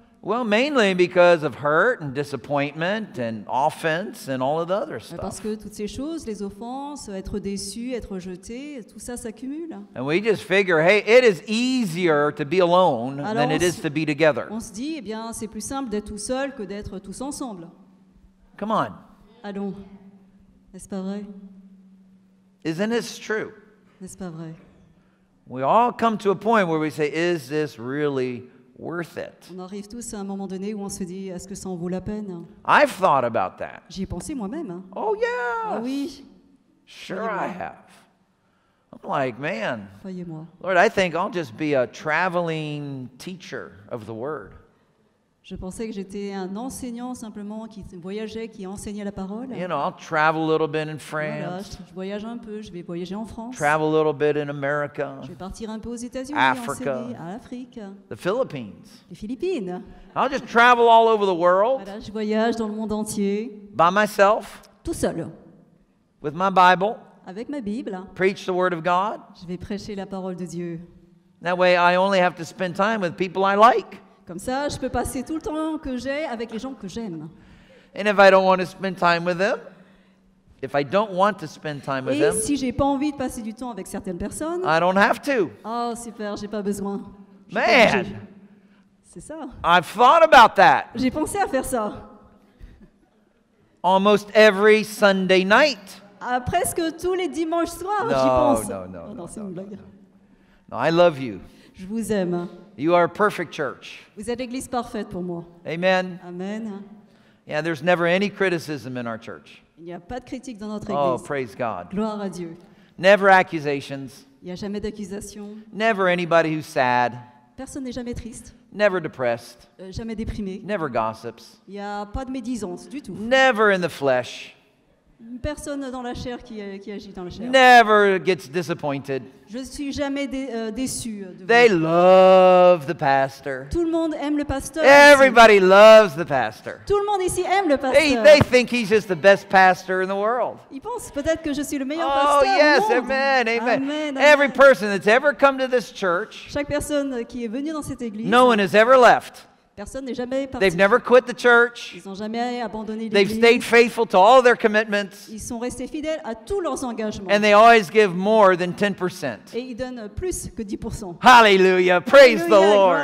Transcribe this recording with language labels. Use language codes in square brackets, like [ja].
[en] Well, mainly because of hurt and disappointment and offense and all of the other stuff. [fr] Parce que toutes ces choses, les offenses, être déçu, être jeté, tout ça s'accumule. [en] And we just figure, hey, it is easier to be alone [fr] alors [en] than it is to be together. [fr] On se dit, eh bien, c'est plus simple d'être tout seul que d'être tous ensemble. [en] Come on. [fr] Allons. N'est-ce pas vrai? [en] Isn't this true? [fr] N'est-ce pas vrai? [en] We all come to a point where we say, is this really worth it? [fr] On arrive tous à un moment donné où on se dit, est-ce que ça en vaut la peine? [en] I've thought about that. [fr] J'y ai pensé moi-même. [en] Oh, yeah. [fr] Ah, oui. [en] Sure, I have. I'm like, man. [fr] Voyez-moi. [en] Lord, I think I'll just be a traveling teacher of the word. [fr] Je pensais que j'étais un enseignant simplement qui voyageait, qui enseignait la parole. [en] You know, I'll travel a little bit in France. [fr] Voilà, je voyage un peu, je vais voyager en France. [en] Travel a little bit in America. [fr] Je vais partir un peu aux États-Unis, [en] Africa, [fr] en Afrique. [en] The Philippines. [fr] Les Philippines. [en] I'll just travel all over the world. [fr] Voilà, je voyage dans le monde entier. [en] By myself. [fr] Tout seul. [en] With my Bible. [fr] Avec ma Bible. [en] Preach the word of God. [fr] Je vais prêcher la parole de Dieu. [en] That way I only have to spend time with people I like. [fr] Comme ça, je peux passer tout le temps que j'ai avec les gens que j'aime. [en] And if I don't want to spend time with them, if I don't want to spend time with them, [fr] et si j'ai pas envie de passer du temps avec certaines personnes, [en] I don't have to. [fr] Oh, super, j'ai pas besoin. [en] Man, [fr] c'est ça. [en] I've thought about that. [fr] J'ai pensé à faire ça. [en] Almost every Sunday night. [fr] À presque tous les dimanches soirs, [en] no, [fr] j'y pense. [en] No, I love you. [fr] Je vous aime. [en] You are a perfect church. [fr] Vous êtes l'église parfaite pour moi. [en] Amen. [fr] Amen. [en] Yeah, there's never any criticism in our church. [fr] Il n'y a pas de critique dans notre église. [en] Oh, praise God. [fr] Gloire à Dieu. [en] Never accusations. [fr] Il n'y a jamais d'accusations. [en] Never anybody who's sad. [fr] Personne n'est jamais triste. [en] Never depressed. [fr] Jamais déprimé. [en] Never gossips. [fr] Il y a pas de médisance du tout. [en] Never in the flesh. [fr] Personne dans la chair qui agit dans la chair. [en] Never gets disappointed. [fr] Je suis jamais déçu. [en] They love the pastor. [fr] Tout le monde aime le pasteur. [en] Everybody loves the pastor. [fr] Tout le monde ici aime le pasteur. [en] They think he's just the best pastor in the world. [fr] Ils pensent peut-être que je suis le meilleur pasteur au monde. [en] Oh yes, amen, amen. Every person that's ever come to this church. [fr] Chaque personne qui est venue dans cette église. [en] No one has ever left. [fr] Personne n'est jamais parti. [en] They've never quit the church. [fr] Ils n'ont jamais abandonné l'église. [en] They've stayed faithful to all their commitments. [fr] Ils sont restés fidèles à tous leurs engagements. [en] And they always give more than 10%. [fr] Et ils donnent plus que 10%. [en] Hallelujah! Praise the Lord.